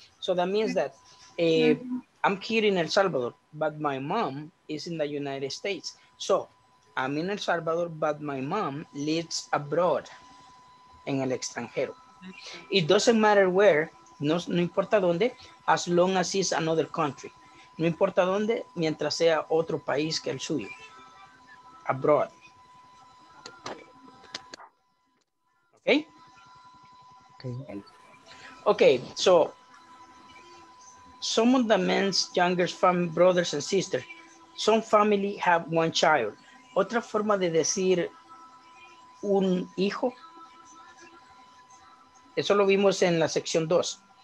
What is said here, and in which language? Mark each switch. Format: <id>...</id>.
<en>So that means that I'm here in El Salvador, but my mom is in the United States. So I'm in El Salvador, but my mom lives abroad,</en> <es>en el extranjero.</es> <en>It doesn't matter where,</en> <es>no importa dónde,</es> <en>as long as it's another country.</en> <es>No importa dónde, mientras sea otro país que el suyo.</es> <en>Abroad. Okay, so some of the men's younger family brothers and sisters, some family have one child.</en> <es>Otra forma de decir un hijo, eso lo vimos en la sección 2.</es>